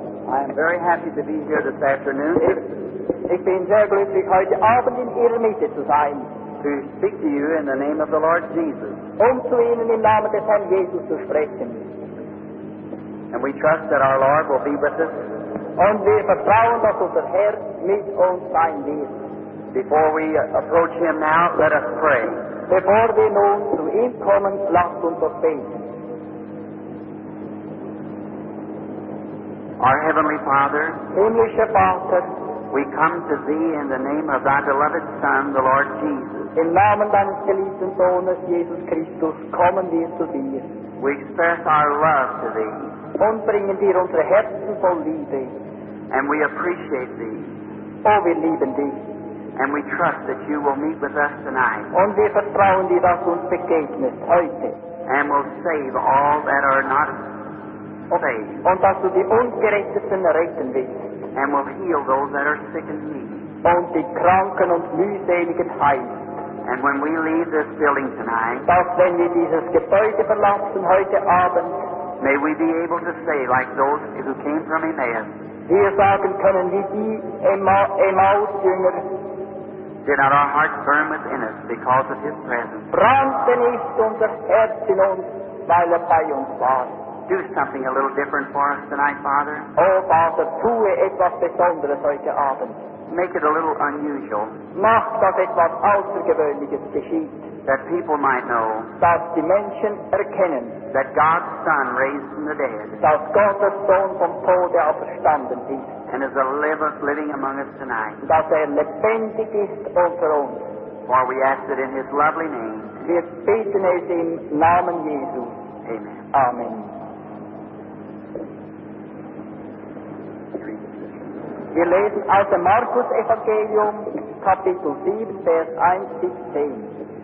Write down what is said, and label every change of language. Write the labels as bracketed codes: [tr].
[en] I am very happy to be here this afternoon. [de] Ich bin sehr glücklich, heute Abend in Ihrer Mitte zu sein. [en] To speak to you in the name of the Lord Jesus. [de] Zu Ihnen im Namen des Herrn Jesus zu sprechen. [en] And we trust that our Lord will be with us. [de] Und wir vertrauen, dass unser Herr mit uns sein wird. [en] Before we approach him now, let us pray. [de] Bevor wir nun zu ihm kommen, lasst uns doch beten. [en] Our Heavenly Father, [de] himmlischer Vater, [en] we come to thee in the name of thy beloved Son, the Lord Jesus. [de] Im Namen deines geliebten Sohnes, Jesus Christus, kommen wir zu dir. [en] We express our love to thee. [de] Und bringen dir unsere Herzen voll Liebe. [en] And we appreciate thee. [de] Oh, wir lieben dich. [en] And we trust that you will meet with us tonight. [de] Und wir vertrauen dir, dass uns begegnet heute. [en] And will save all that are not saved. [de] Und dass du die Ungerechteten retten willst. [en] And will heal those that are sick and weak. [de] Und die Kranken und Mühseligen heilen. [en] And when we leave this building tonight, [de] dass wenn wir dieses Gebäude verlassen heute Abend, [en] may we be able to say like those who came from Emmaus, [de] hier sagen können wie die Emmaus-Jünger, [en] did not our hearts burn within us because of his presence? [de] Brannte nicht unser Herz in uns, weil bei uns war. [en] Do something a little different for us tonight, Father. Oh, Father, [de] tue etwas Besonderes heute Abend. [en] Make it a little unusual. [de] Mach, dass etwas Außergewöhnliches geschieht. [en] That people might know. [de] Dass die Menschen erkennen. [en] That God's Son raised from the dead. [de] Dass Gottes Sohn vom Tode auferstanden ist. [en] And is a living among us tonight. [de] Dass lebendig ist unter uns. [en] For we ask it in his lovely name. [de] Wir beten es im Namen Jesu. [en] Amen. [de] Amen. Wir lesen aus dem Markus-Evangelium, Kapitel 7, Vers 1 bis 10.